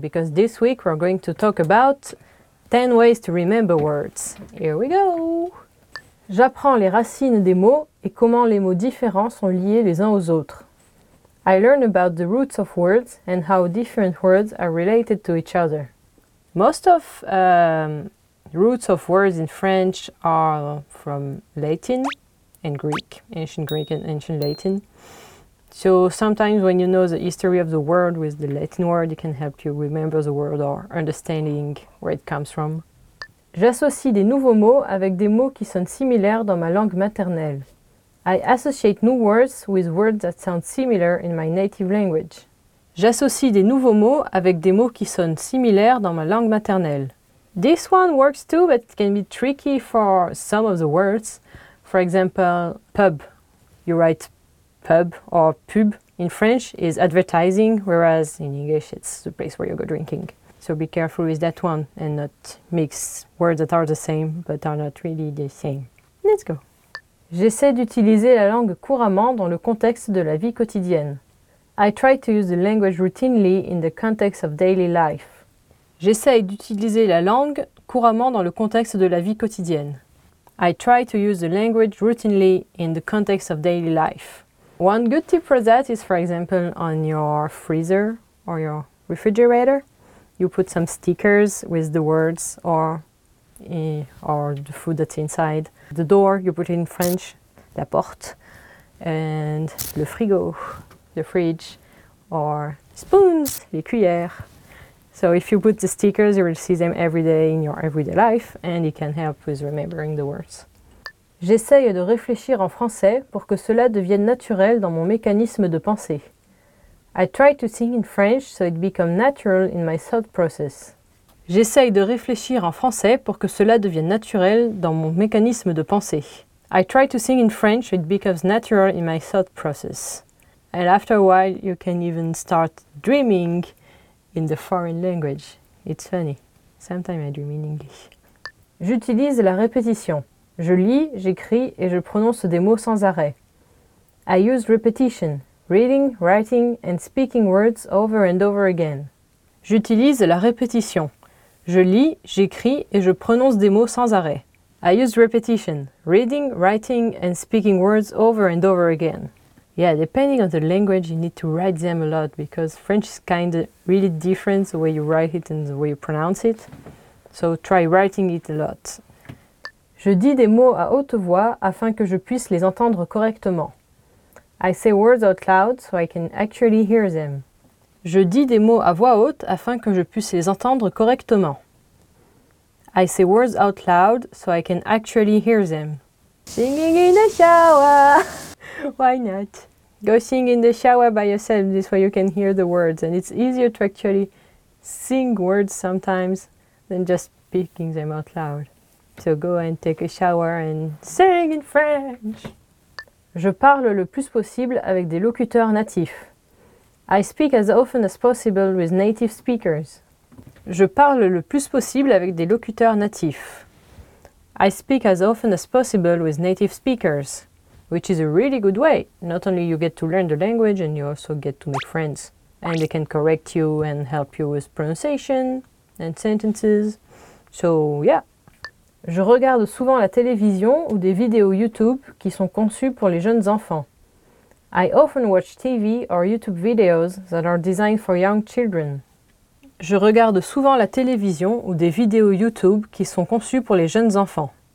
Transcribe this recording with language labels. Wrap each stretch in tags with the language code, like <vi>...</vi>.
<en>Because this week we're going to talk about 10 ways to remember words. Here we go.</en> <fr>J'apprends les racines des mots et comment les mots différents sont liés les uns aux autres.</fr> <en>I learn about the roots of words and how different words are related to each other. Most of roots of words in French are from Latin and Greek, ancient Greek and ancient Latin. So sometimes when you know the history of the word with the Latin word, it can help you remember the word or understanding where it comes from.</en> <fr>J'associe des nouveaux mots avec des mots qui sonnent similaires dans ma langue maternelle.</fr> <en>I associate new words with words that sound similar in my native language.</en> <fr>J'associe des nouveaux mots avec des mots qui sonnent similaires dans ma langue maternelle.</fr> <en>This one works too, but can be tricky for some of the words. For example, pub. You write pub or pub in French is advertising, whereas in English it's the place where you go drinking. So be careful with that one and not mix words that are the same but are not really the same. Let's go.</en> <fr>J'essaie d'utiliser la langue couramment dans le contexte de la vie quotidienne.</fr> <en>I try to use the language routinely in the context of daily life.</en> <fr>J'essaie d'utiliser la langue couramment dans le contexte de la vie quotidienne.</fr> <en>I try to use the language routinely in the context of daily life. One good tip for that is, for example, on your freezer or your refrigerator, you put some stickers with the words or the food that's inside. The door, you put it in French, la porte, and le frigo, the fridge, or spoons, les cuillères. So if you put the stickers, you will see them every day in your everyday life, and it can help with remembering the words.</en> <fr>J'essaye de réfléchir en français pour que cela devienne naturel dans mon mécanisme de pensée.</fr> <en>I try to think in French so it becomes natural in my thought process.</en> <fr>J'essaye de réfléchir en français pour que cela devienne naturel dans mon mécanisme de pensée.</fr> <en>I try to think in French so it becomes natural in my thought process. And after a while, you can even start dreaming in the foreign language. It's funny. Sometimes I dream in English.</en> <fr>J'utilise la répétition. Je lis, j'écris et je prononce des mots sans arrêt.</fr> <en>I use repetition, reading, writing and speaking words over and over again.</en> <fr>J'utilise la répétition. Je lis, j'écris et je prononce des mots sans arrêt.</fr> <en>I use repetition, reading, writing and speaking words over and over again. Yeah, depending on the language, you need to write them a lot because French is kind of really different the way you write it and the way you pronounce it. So try writing it a lot.</en> <fr>Je dis des mots à haute voix afin que je puisse les entendre correctement.</fr> <en>I say words out loud so I can actually hear them.</en> <fr>Je dis des mots à voix haute afin que je puisse les entendre correctement.</fr> <en>I say words out loud so I can actually hear them. Singing in the shower! Why not? Go sing in the shower by yourself, this way you can hear the words. And it's easier to actually sing words sometimes than just speaking them out loud. So go and take a shower and sing in French.</en> <fr>Je parle le plus possible avec des locuteurs natifs.</fr> <en>I speak as often as possible with native speakers.</en> <fr>Je parle le plus possible avec des locuteurs natifs.</fr> <en>I speak as often as possible with native speakers, which is a really good way. Not only you get to learn the language and you also get to make friends. And they can correct you and help you with pronunciation and sentences. So yeah.</en> <fr>Je regarde souvent la télévision ou des vidéos YouTube qui sont conçues pour les jeunes enfants.</fr> <en>I often watch TV or YouTube videos that are designed for young children.</en> <fr>Je regarde souvent la télévision ou des vidéos YouTube qui sont conçues pour les jeunes enfants.</fr>